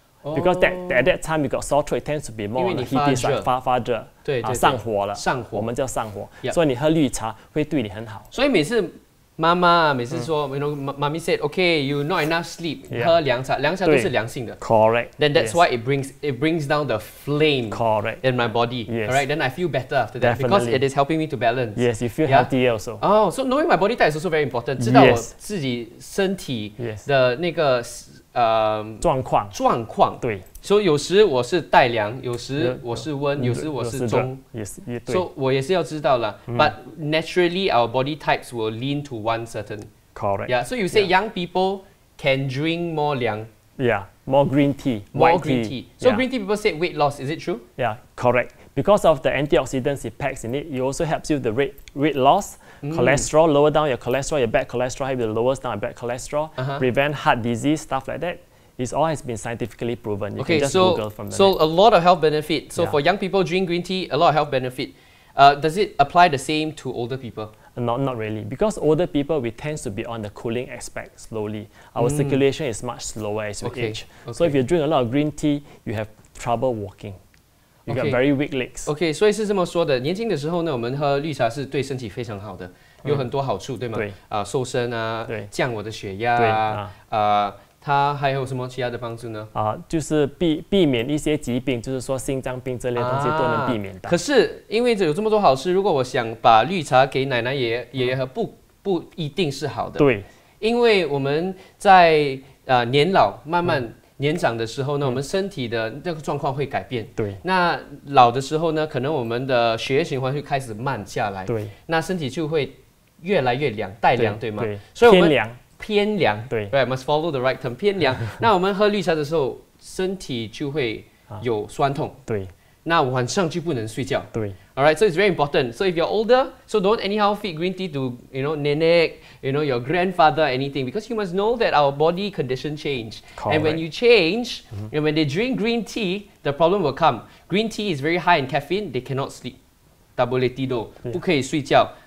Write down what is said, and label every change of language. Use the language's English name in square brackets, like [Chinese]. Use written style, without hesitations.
[English] Because at that time, you got sore throat, it tends to be more heated, [Chinese] like 发热, 上火了, 我们叫上火, 所以你喝绿茶会对你很好。所以每次妈妈每次说, [English] you know, mommy said, okay, you not enough sleep, [Chinese] 喝凉茶, 凉茶都是凉性的, [English] correct. Then that's why it brings down the flame in my body, right? Then I feel better after that, because it is helping me to balance. Yes, you feel healthier also. Oh, so knowing my body type is also very important, [Chinese] 知道我自己身体的那个状况。对。所以有时我是带凉，有时我是温，有时我是中。也是。所以我也是要知道了。 [English] But naturally, our body types will lean to one certain. Correct. Yeah. So you say young people can drink more 凉。 Yeah, more green tea, white green tea. So green tea people say weight loss, is it true? Yeah, correct. Because of the antioxidants it packs in it, it also helps you with the weight loss, cholesterol, lower down your cholesterol, your bad cholesterol, help you lower down your bad cholesterol, prevent heart disease, stuff like that. It's all has been scientifically proven. You can just Google from that. So a lot of health benefit. So for young people, drink green tea, a lot of health benefit. Does it apply the same to older people? Not really, because older people, we tend to be on the cooling aspect slowly. Our circulation is much slower as we age. Okay. So if you drink a lot of green tea, you have trouble walking. You got very weak legs. [Chinese] Okay, 所以是这么说的，年轻的时候呢，我们喝绿茶是对身体非常好的，有很多好处，对吗？对。瘦身啊，降我的血压啊，它还有什么其他的帮助呢？就是避免一些疾病，就是说心脏病这类东西都能避免的。可是因为有这么多好事，如果我想把绿茶给奶奶爷爷喝，不一定是好的。对，因为我们在年老慢慢年长的时候呢，我们身体的那个状况会改变。对，那老的时候呢，可能我们的血液循环会开始慢下来。对，那身体就会越来越凉，带凉，对吗？对，所以我们偏凉。偏凉，对 [English] ，right must follow the right term。 [Chinese] 偏凉，那我们喝绿茶的时候，身体就会有酸痛，对。那晚上就不能睡觉，对。 [English] All right, so it's very important. So if you're older, so don't anyhow feed green tea to you know nenek, you know your grandfather, anything, because you must know that our body condition change. Correct. And when you change, and when they drink green tea, the problem will come. Green tea is very high in caffeine. They cannot sleep. Double tido, [Chinese] 不可以睡觉。